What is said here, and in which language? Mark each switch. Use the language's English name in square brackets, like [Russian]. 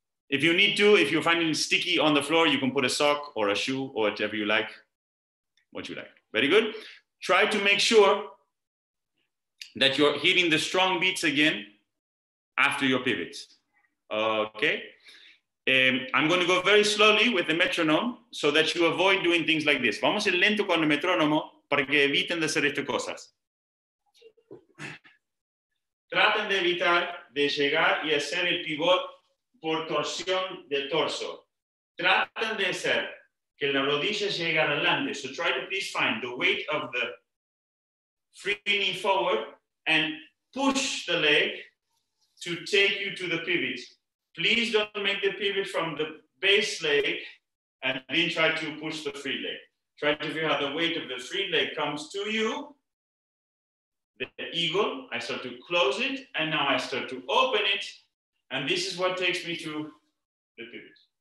[English] If you need to, if you're finding sticky on the floor, you can put a sock or a shoe or whatever you like, what you like. Very good. Try to make sure that you're hitting the strong beats again after your pivots. Okay. I'm going to go very slowly with the metronome so that you avoid doing things like this. [Spanish] Vamos a ir lento con el metrónomo para que eviten de hacer estas cosas. Traten de evitar de llegar y hacer el pivot por torsión del torso. Traten de hacer que la rodilla llegue adelante. [English] So try to please find the weight of the free knee forward and push the leg to take you to the pivot. Please don't make the pivot from the base leg and then try to push the free leg. Try to feel how the weight of the free leg comes to you. The eagle, I start to close it, and now I start to open it, and this is what takes me to the pivot.